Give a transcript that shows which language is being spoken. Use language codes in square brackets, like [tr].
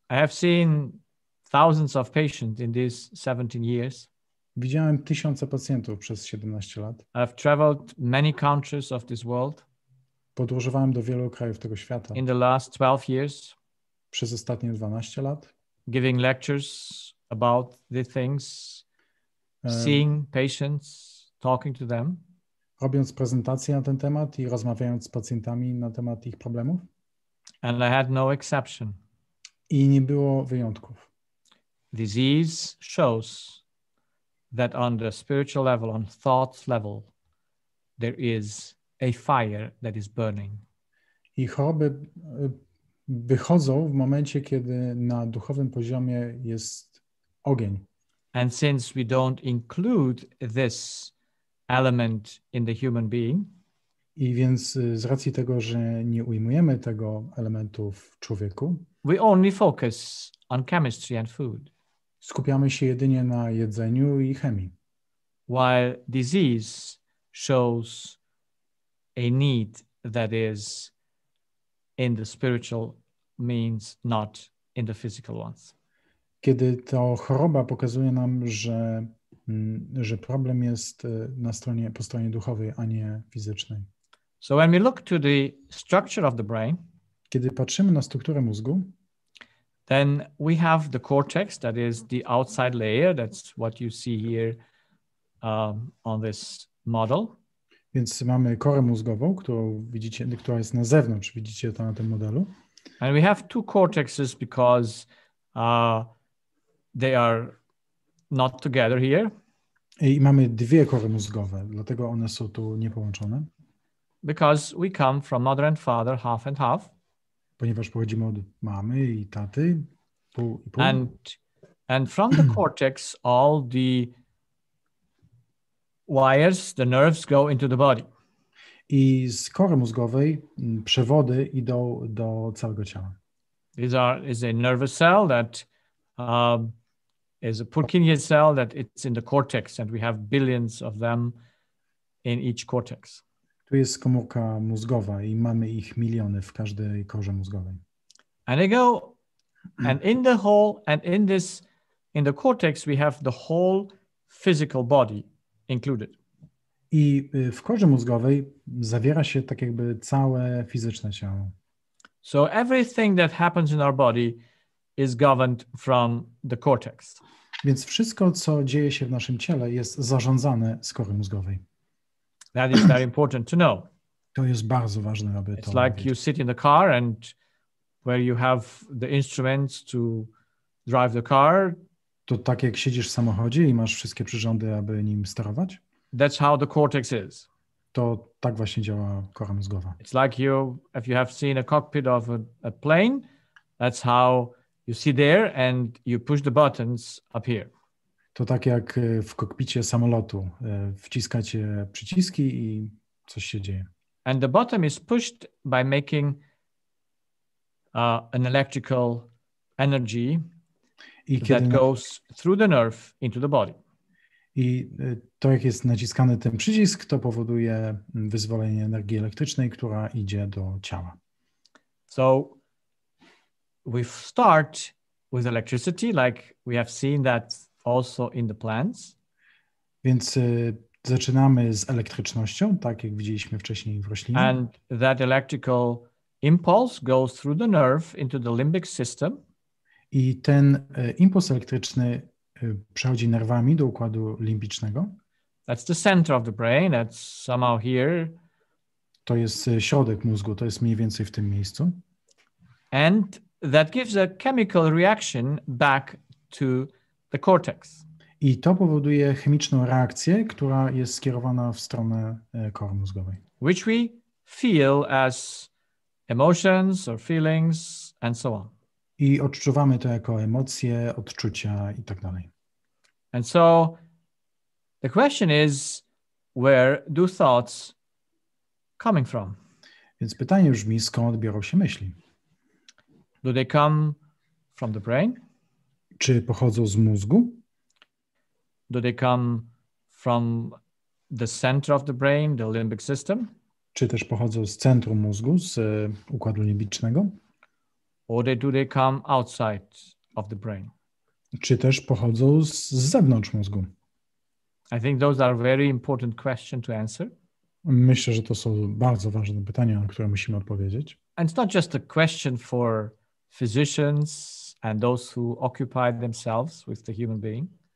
[en] I have seen thousands of patients in these 17 years. [pl] Widziałem tysiące pacjentów przez 17 lat. [en] I've traveled many countries of this world. [pl] Podróżowałem do wielu krajów tego świata. [en] In the last 12 years. [pl] Przez ostatnie 12 lat. [en] Giving lectures about the things, seeing patients, talking to them. [pl] Robiąc prezentacje na ten temat i rozmawiając z pacjentami na temat ich problemów. [en] And I had no exception. [pl] I nie było wyjątków. [en] Disease shows that on the spiritual level, on thought level, there is a fire that is burning. [pl] I choroby wychodzą w momencie, kiedy na duchowym poziomie jest ogień. [en] And since we don't include this element in the human being, [pl] i więc z racji tego, że nie ujmujemy tego elementu w człowieku, [en] we only focus on chemistry and food. [pl] Skupiamy się jedynie na jedzeniu i chemii. [en] While disease shows a need that is in the spiritual means, not in the physical ones. [pl] Kiedy to choroba pokazuje nam, że problem jest po stronie duchowej, a nie fizycznej. [en] So when we look to the structure of the brain, [pl] kiedy patrzymy na strukturę mózgu, [en] then we have the cortex, that is the outside layer, that's what you see here on this model. [pl] Więc mamy korę mózgową, która jest na zewnątrz, widzicie to na tym modelu. [en] And we have two cortexes because they are not together here. [pl] I mamy dwie kory mózgowe, dlatego one są tu niepołączone. [en] Because we come from mother and father, half and half. [pl] Ponieważ pochodzimy od mamy i taty, pół i pół. [en] And from the cortex, all the wires, the nerves go into the body. [pl] I z kory mózgowej przewody idą do całego ciała. [en] Is a nervous cell that is a Purkinje cell that it's in the cortex, and we have billions of them in each cortex. [pl] Tu jest komórka mózgowa i mamy ich miliony w każdej korze mózgowej. [en] And they go, and in the whole, and in this, in the cortex, we have the whole physical body included. [pl] I w korze mózgowej zawiera się tak jakby całe fizyczne ciało. [en] So everything that happens in our body is governed from the cortex. [pl] Więc wszystko, co dzieje się w naszym ciele, jest zarządzane z kory mózgowej. [en] That is very important to know. [pl] To jest bardzo ważne, aby [en] it's to like [pl] mówić. [en] You sit in the car and where you have the instruments to drive the car. [pl] To tak jak siedzisz w samochodzie i masz wszystkie przyrządy, aby nim sterować. [en] That's how the cortex is. [pl] To tak właśnie działa kora mózgowa. [en] It's like you, if you have seen a cockpit of a plane, that's how you sit there and you push the buttons up here. [pl] To tak jak w kokpicie samolotu. Wciskacie przyciski i coś się dzieje. [en] And the bottom is pushed by making an electrical energy that goes through the nerve into the body. [pl] I to jak jest naciskany ten przycisk, to powoduje wyzwolenie energii elektrycznej, która idzie do ciała. [en] So we start with electricity, like we have seen that also in the plants. [pl] Więc zaczynamy z elektrycznością, tak jak widzieliśmy wcześniej w roślinie. [en] And that electrical impulse goes through the nerve into the limbic system. [pl] I ten impuls elektryczny przechodzi nerwami do układu limbicznego. [en] That's the center of the brain, that's somehow here. [pl] To jest środek mózgu, to jest mniej więcej w tym miejscu. [en] And that gives a chemical reaction back to the cortex. [pl] I to powoduje chemiczną reakcję, która jest skierowana w stronę kory mózgowej. [en] Which we feel as emotions or feelings and so on. [pl] I odczuwamy to jako emocje, odczucia i tak dalej. [en] And so the question is, where do thoughts coming from? [pl] Więc pytanie brzmi, skąd biorą się myśli? [en] Do they come from the brain? [pl] Czy pochodzą z mózgu? [en] Do they come from the center of the brain, the limbic system? [pl] Czy też pochodzą z centrum mózgu, z układu limbicznego? [en] Or do they come outside of the brain? [pl] Czy też pochodzą z zewnątrz mózgu? [en] I think those are very important questions to answer. [pl] Myślę, że to są bardzo ważne pytania, na które musimy odpowiedzieć. [en] And it's not just a question for physicians and those who occupy themselves with the human being.